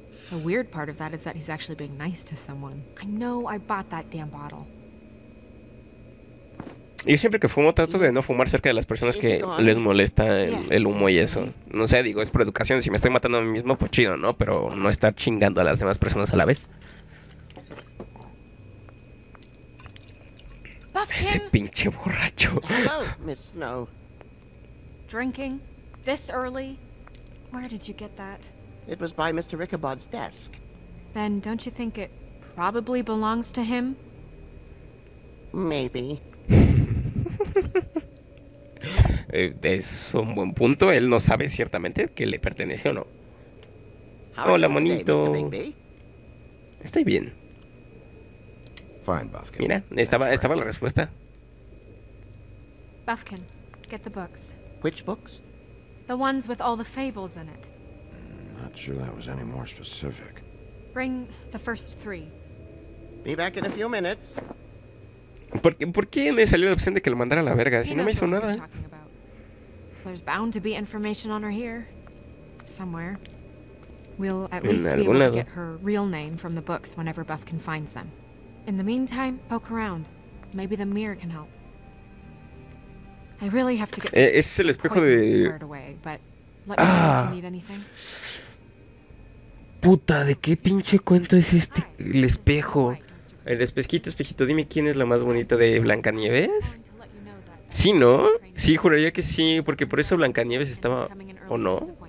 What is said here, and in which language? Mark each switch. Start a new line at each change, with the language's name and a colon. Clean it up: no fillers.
English: The weird part of that is that he's actually being nice to someone. I know I bought that damn bottle.
Spanish: Yo siempre que fumo trato de no fumar cerca de las personas que les molesta el humo y eso. No sé, digo, es por educación. Si me estoy matando a mí mismo, pues chido, ¿no? Pero no estar chingando a las demás personas a la vez.
English: Buffkin.
Spanish: Ese pinche borracho.
English: Hello, Miss Snow. Drinking this early? Where did you get that? It was by Mr. Rickabod's desk. Then don't you think it probably belongs to him? Maybe.
Spanish: Es un buen punto. Él no sabe ciertamente que le pertenece o no. Hola, monito. Estoy bien.
English: Fine, Buffkin.
Spanish: Mira, estaba la respuesta.
English: Buffkin, get the books. Which books? The ones with all the fables in it. Not sure that was any more specific. Bring the first three. Be back in a few minutes.
Spanish: ¿Por qué me salió la opción de que lo mandara a la verga? Si no me hizo nada.
English: There's bound to be information on her here. Somewhere. We'll at
Spanish: en
English: least be able
Spanish: lado.
English: To get her real name from the books whenever Buffkin finds them. In the meantime, poke around. Maybe the mirror can help. I really have to get this
Spanish: es el espejo de...
English: squared away, but let me know if you need anything.
Spanish: Puta, ¿de qué pinche cuento es este el espejo? El espejito, espejito, dime quién es la más bonita de Blancanieves. Sí, ¿no? Sí, juraría que sí, porque por eso Blancanieves estaba... ¿O no?